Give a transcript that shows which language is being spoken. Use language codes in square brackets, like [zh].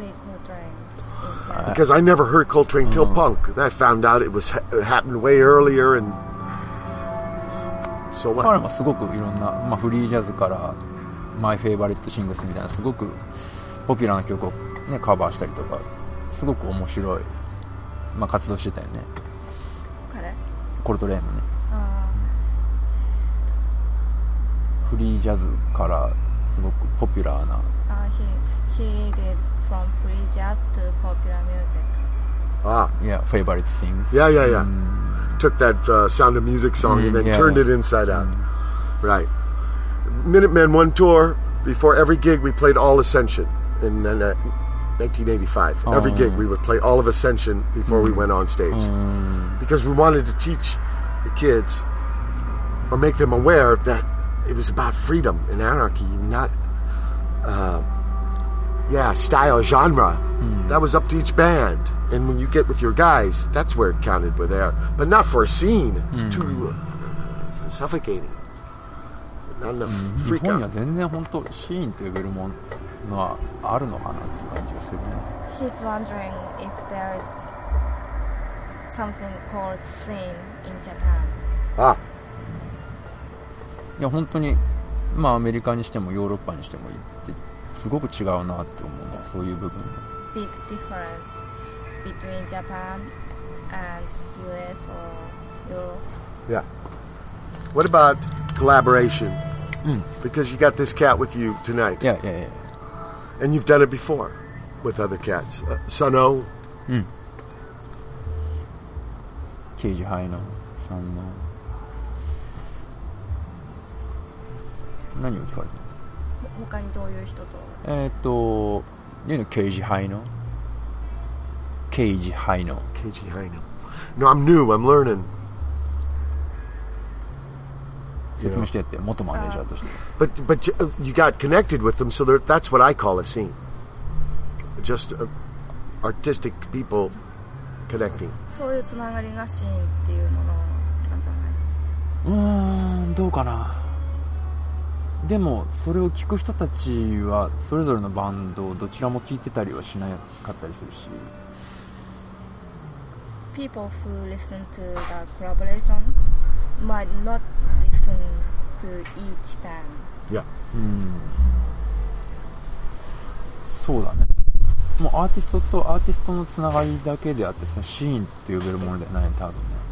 [en] Only Coltrane. Because I never heard Coltrane till punk. I found out it was happened way earlier and so what? [ja] 彼はすごくいろんな、まあ、フリージャズからマイフェイバリットシングスみたいなすごくポピュラーな曲を、ね、カバーしたりとかすごく面白い、まあ、活動してたよね。彼？コルトレーンのね。フリージャズからすごくポピュラーな。 [en] He did from free jazz to popular music. Ah, yeah, favorite things. Yeah, yeah, yeah.、Took that、Sound of Music song、and then turned it inside out.、Right. Minutemen one tour before every gig we played all Ascension in 1985.、Every gig we would play all of Ascension before、we went on stage、because we wanted to teach the kids or make them aware that. It was about freedom and anarchy, not, style, genre.、That was up to each band. And when you get with your guys, that's where it counted were there. But not for a scene. It's too suffocating. Not enough freak out. [ja] 日本には全然本当シーンと呼べるものはあるのかなって感じがするね。 [en] He's wondering if there's something called scene in Japan. Ah. [ja] いや本当に、まあ、アメリカにしてもヨーロッパにしてもいいってすごく違うなって思うのそういう部分も [en] Big difference between Japan and US or Europe Yeah What about collaboration?、Because you got this cat with you tonight Yeah. And you've done it before with other cats Sunno [ja] ケージハイの Sunno何を聞かれたの他にどういう人とケージハイのケージハイのケージハイの [en] No, I'm new, I'm learning [ja] 説明してやって元マネージャーとして [en] But you got connected with them So that's what I call a scene Just artistic people connecting [ja] そういうつながりがシーンっていうものなんじゃないうーんどうかなでもそれを聞く人たちはそれぞれのバンドをどちらも聞いてたりはしなかったりするし [en] people who listen to the collaboration might not listen to each band. Yeah. [ja] そうだね。もうアーティストとアーティストのつながりだけであってさ、シーンって呼べるものではない、多分ね。